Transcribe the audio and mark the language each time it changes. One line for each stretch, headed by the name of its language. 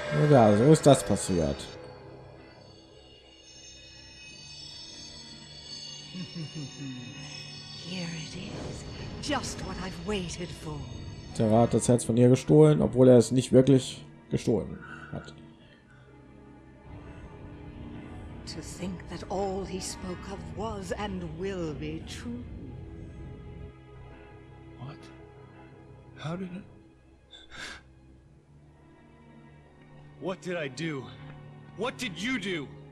German: Ja, so ist das passiert.
English: Here it is. Just what I've waited for.
German: Terra hat das Herz von ihr gestohlen, obwohl er es nicht wirklich gestohlen hat.
English: To think that all he spoke of was and will be true. What? How did it? What did I do? What did you do?